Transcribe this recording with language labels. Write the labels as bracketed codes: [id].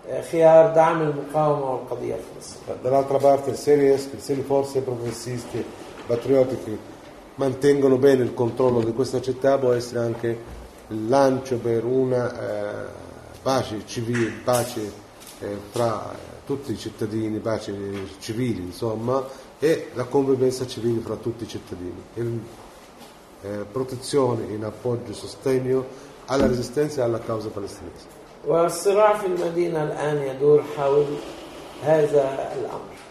[ar] خيار دعم المقاومة والقضية الفلسطينية. [it] dall'altra parte se riesce, se le forze progressiste patriottiche mantengono bene il controllo di questa città, può essere anche il lancio per una pace civile, pace fra tutti i cittadini, pace civile insomma, e la convivenza civile fra tutti i cittadini, e protezione in appoggio e sostegno alla resistenza e alla causa palestinese. [ar] والصراع في المدينة الآن يدور حول هذا الأمر.